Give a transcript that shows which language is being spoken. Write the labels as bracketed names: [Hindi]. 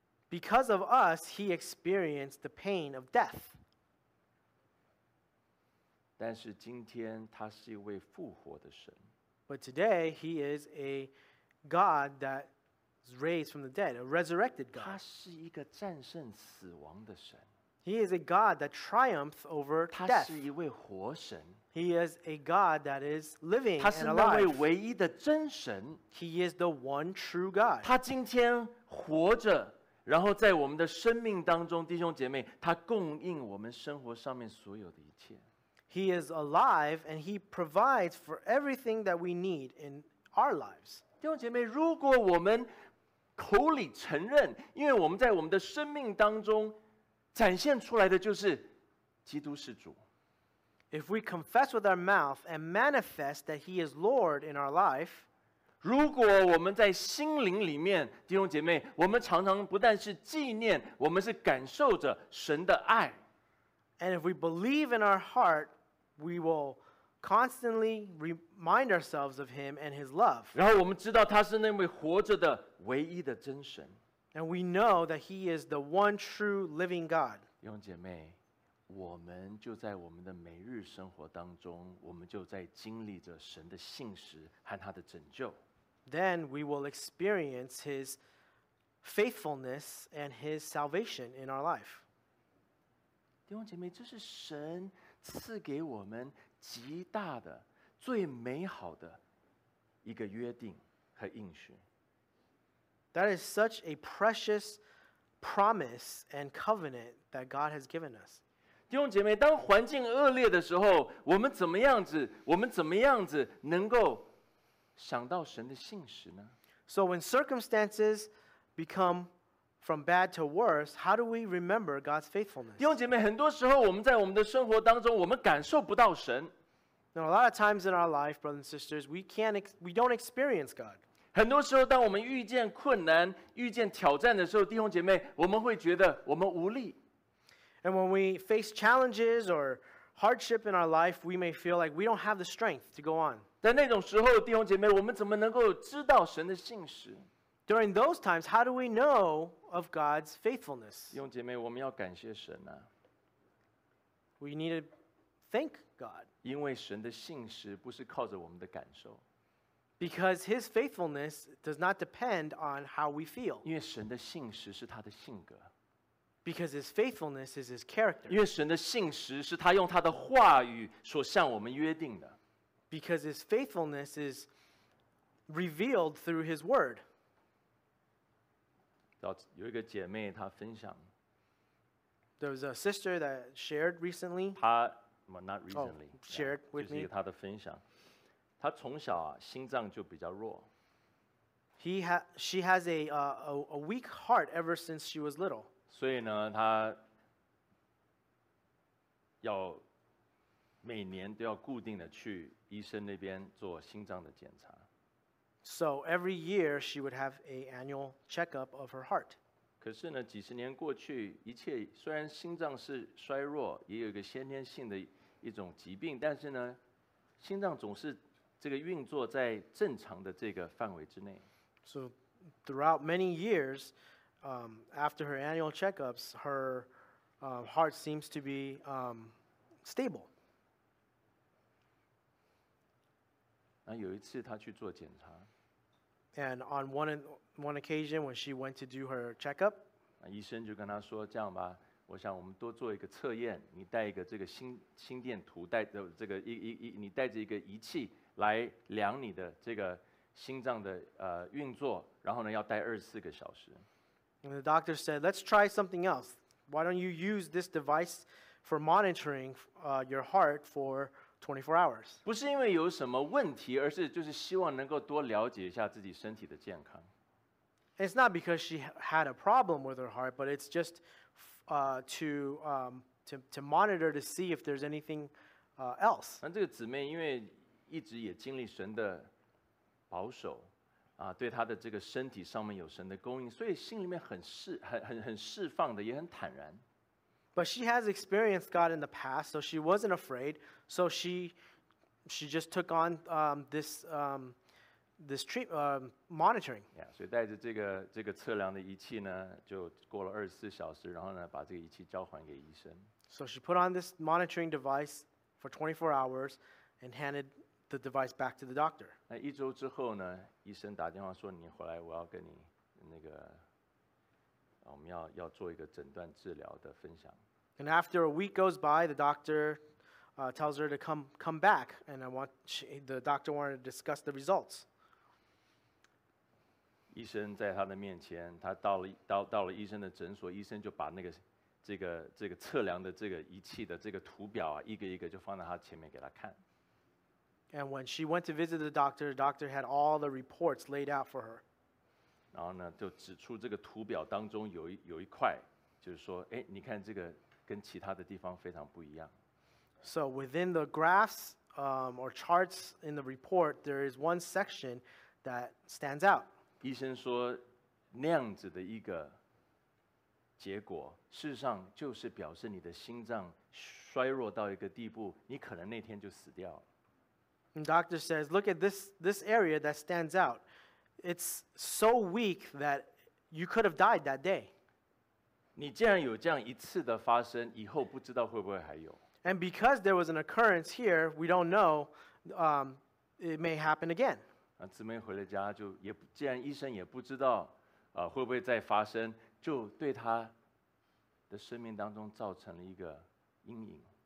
[English] Because of us, He experienced the pain of death. [Chinese] 但是今天，他是一位复活的神。 [English] But today, He is a God that is raised from the dead, a resurrected God. [Chinese] 他是一个战胜死亡的神。 [English] He is a God that triumphs over death. [Chinese] 他是一位活神。 [English] He is a God that is living and alive. [Chinese] 他是那位唯一的真神。 [English] He is the one true God. [Chinese] 他今天活着。然后在我们的生命当中，弟兄姐妹，他供应我们生活上面所有的一切。 [English] He is alive and He provides for everything that we need in our lives. [Chinese] 弟兄姐妹，如果我们口里承认，因为我们在我们的生命当中展现出来的就是基督是主。 [English] If we confess with our mouth and manifest that He is Lord in our life, [Chinese] 如果我们在心灵里面，弟兄姐妹，我们常常不但是纪念，我们是感受着神的爱。 [English] And if we believe in our heart, we will constantly remind ourselves of Him and His love. [Chinese] 然后我们知道他是那位活着的唯一的真神。 [English] And we know that He is the one true living God. [Chinese] 弟兄姐妹，我们就在我们的每日生活当中，我们就在经历着神的信实和他的拯救。 [English] Then we will experience His faithfulness and His salvation in our life. [Chinese] 弟兄姐妹，这是神赐给我们极大的、最美好的一个约定和应许。 [English] That is such a precious promise and covenant that God has given us. [Chinese] 弟兄姐妹，当环境恶劣的时候，我们怎么样子？我们怎么样子能够想到神的信实呢？ [English] So when circumstances become from bad to worse, how do we remember God's faithfulness? [Chinese] 弟兄姐妹，很多时候我们在我们的生活当中，我们感受不到神。 [English] Now, a lot of times in our life, brothers and sisters, we don't experience God. [Chinese] 很多时候，当我们遇见困难、遇见挑战的时候，弟兄姐妹，我们会觉得我们无力。 [English] And when we face challenges or hardship in our life, we may feel like we don't have the strength to go on. [Chinese] 在那种时候，弟兄姐妹，我们怎么能够知道神的信实？ [English] During those times, how do we know of God's faithfulness? [Chinese] 弟兄姐妹，我们要感谢神啊。 [English] We need to thank God. [Chinese] 因为神的信实不是靠着我们的感受。 [English] Because his faithfulness does not depend on how we feel. [Chinese] 因为神的信实是他的性格。 [English] Because his faithfulness is his character. [Chinese] 因为神的信实是他用他的话语所向我们约定的。 [English] Because his faithfulness is revealed through his word. [Chinese] 有一个姐妹她分享。 [English] There was a sister that shared recently. [Chinese] 她 [English] well, not recently. Oh, shared with me. [Chinese] 就是一个她的分享。她从小啊，心脏就比较弱。 [English] She has a weak heart ever since she was little. [Chinese] 所以呢，她要每年都要固定的去医生那边做心脏的检查。 [English] So every year she would have an annual checkup of her heart. [Chinese] 可是呢，几十年过去，一切虽然心脏是衰弱，也有一个先天性的一种疾病，但是呢，心脏总是这个运作在正常的这个范围之内。 [English] So throughout many years, after her annual checkups, her heart seems to be stable. [Chinese] 那有一次她去做检查。 [English] And on one occasion when she went to do her checkup, [Chinese] 医生就跟她说这样吧，我想我们多做一个测验，你带一个这个心电图，带这个你带着一个仪器来量你的这个心脏的运作，然后呢要待24个小时。 [English] And the doctor said, let's try something else. Why don't you use this device for monitoring your heart for 24 hours? [Chinese] 不是因为有什么问题，而是就是希望能够多了解一下自己身体的健康。 [English] It's not because she had a problem with her heart, but it's just to monitor to see if there's anything else. [Chinese] 那这个姊妹因为一直也经历神的保守，对她的这个身体上面有神的供应，所以心里面很释放的，也很坦然。 [English] But she has experienced God in the past, so she wasn't afraid. So she just took on monitoring. [Chinese] Yeah, 所以带着这个测量的仪器呢，就过了24小时，然后呢，把这个仪器交还给医生。 [English] So she put on this monitoring device for 24 hours and handed the device back to the doctor. [Chinese] 那一周之后呢，医生打电话说你回来，我要跟你那个。我们 要做一个诊断治疗的分享。 [English] And after a week goes by, the doctor tells her to come back, and the doctor wanted to discuss the results. [Chinese] 医生在他的面前，他到了医生的诊所，医生就把那个这个测量的这个仪器的这个图表啊，一个一个就放在他前面给他看。 [English] And when she went to visit the doctor had all the reports laid out for her. [Chinese] 然后呢，就指出这个图表当中有一块，就是说，哎，你看这个跟其他的地方非常不一样。 [English] So within the graphs, or charts in the report, there is one section that stands out. [Chinese] 医生说，那样子的一个结果，事实上就是表示你的心脏衰弱到一个地步，你可能那天就死掉了。 [English] And doctor says, look at this area that stands out. It's so weak that you could have died that day. [Chinese] 你既然有这样一次的发生，以后不知道会不会还有。 [English] And because there was an occurrence here, we don't know, it may happen again. [Chinese] 姊妹回了家就也既然医生也不知道，会不会再发生，就对她的生命当中造成了一个阴影。